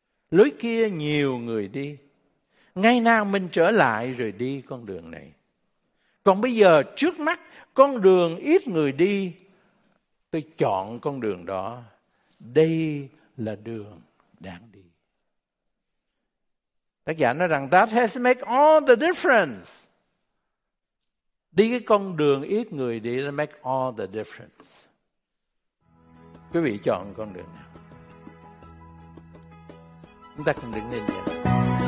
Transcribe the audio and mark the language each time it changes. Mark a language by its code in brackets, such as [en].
[vi] Lối kia nhiều người đi, ngày nào mình trở lại rồi đi con đường này. Còn bây giờ trước mắt con đường ít người đi, tôi chọn con đường đó. Đây là đường đáng đi. Tác giả nói rằng [en] that has make all the difference. [vi] Đi cái con đường ít người đi là [en] make all the difference. [vi] Quý vị chọn con đường nào? Chúng ta cùng đứng lên nhé.